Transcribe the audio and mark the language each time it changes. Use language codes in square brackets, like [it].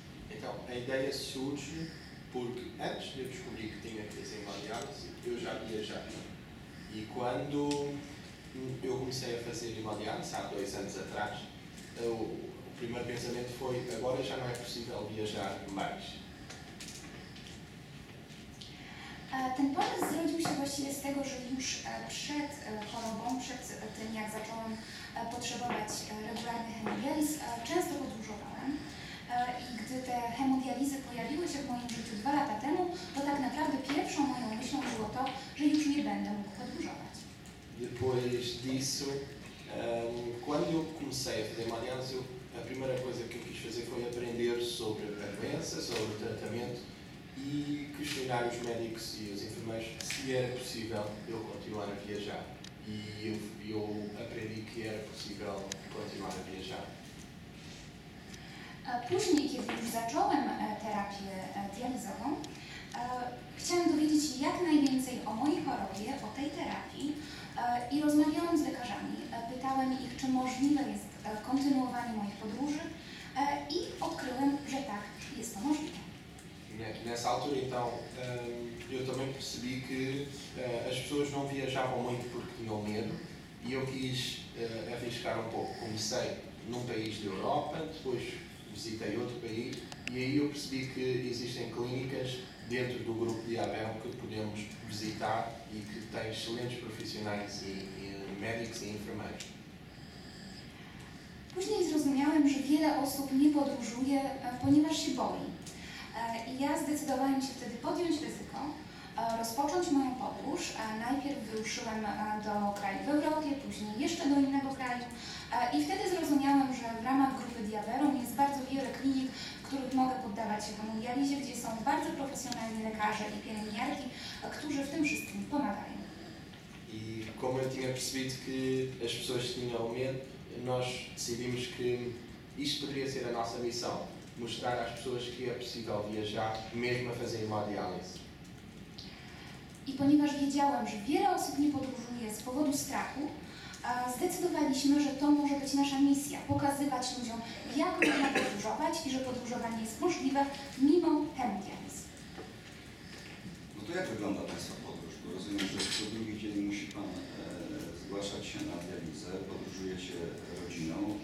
[pt] Então, a ideia surge porque antes de eu descobrir que tinha que desenvolver-se, eu já viajava. E quando eu comecei a fazer hemodiálise, há 2 anos atrás, o primeiro pensamento foi, agora já não é possível viajar mais. [pl] Ten pomysł zrodził się właściwie z tego, że już przed chorobą, przed tym jak zacząłem potrzebować regularnych hemodializ, często podróżowałem. I gdy te hemodializy pojawiły się w moim życiu 2 lata temu, to tak naprawdę pierwszą moją myślą było to, że już nie będę mógł podróżować. [pt] Depois disso, quando comecei a fazer hemodializy, a primeira coisa que eu quis fazer foi aprender sobre a doença, sobre o tratamento e questionar os médicos e os enfermeiros se era possível eu continuar a viajar. E eu aprendi que era possível continuar a viajar. [pl] Później, kiedy już zacząłem terapię dializową, chciałem dowiedzieć się jak najwięcej o mojej chorobie, o tej terapii i rozmawiałam z lekarzami. Pytałem ich, czy możliwe jest kontynuowanie moich podróży i odkryłem, że tak, jest to możliwe. [pt] Nessa altura, então, eu também percebi que as pessoas não viajavam muito porque tinham medo e eu quis arriscar um pouco. Comecei num país da Europa, depois visitei outro país e aí eu percebi que existem clínicas dentro do grupo de Abel que podemos visitar e que têm excelentes profissionais e médicos e enfermeiros. [pl] Później zrozumiałem, że wiele osób nie podróżuje, ponieważ się boi. I ja zdecydowałem się wtedy podjąć ryzyko, rozpocząć moją podróż. Najpierw wyruszyłem do kraju w Europie, później jeszcze do innego kraju. I wtedy zrozumiałem, że w ramach grupy Diaverum jest bardzo wiele klinik, w których mogę poddawać się hemodializie, gdzie są bardzo profesjonalni lekarze i pielęgniarki, którzy w tym wszystkim pomagają. [pt] I como eu tinha percebido que as pessoas tinham medo, nós decidimos que isto poderia ser a nossa missão. Mostrar às pessoas que é possível viajar, mesmo a fazer hemodiálise. [pl] E, ponieważ wiedziałam, że wiele osób nie podróżuje z powodu strachu, zdecydowaliśmy, że to może być nasza misja, pokazywać ludziom, jak można podróżować i że podróżowanie jest możliwe mimo hemodializm. No to jak wygląda Państwa podróż? Bo rozumiem, że co drugi dzień musi Pan zgłaszać się na dializę, podróżuje się rodziną.